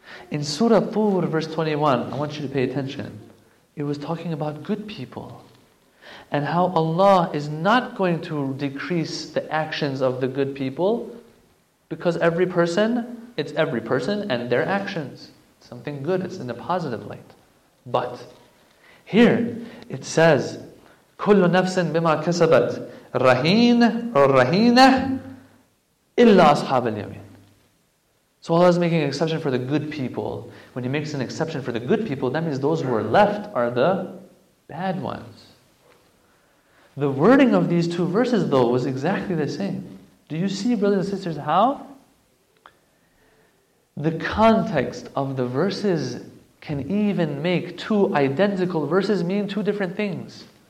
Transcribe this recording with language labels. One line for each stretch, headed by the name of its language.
English: In Surah Tur, verse 21, I want you to pay attention. It was talking about good people and how Allah is not going to decrease the actions of the good people because every person, it's every person and their actions. Something good, it's in a positive light. But here it says,
Arabic: كُلُّ نَفْسٍ بِمَا كَسَبَتْ رَهِينَ وَرَهِينَ إِلَّا أَصْحَابَ الْيَمِينَ.
English: So Allah is making an exception for the good people. When He makes an exception for the good people, that means those who are left are the bad ones. The wording of these two verses, though, was exactly the same. Do you see, brothers and sisters, how the context of the verses can even make two identical verses mean two different things?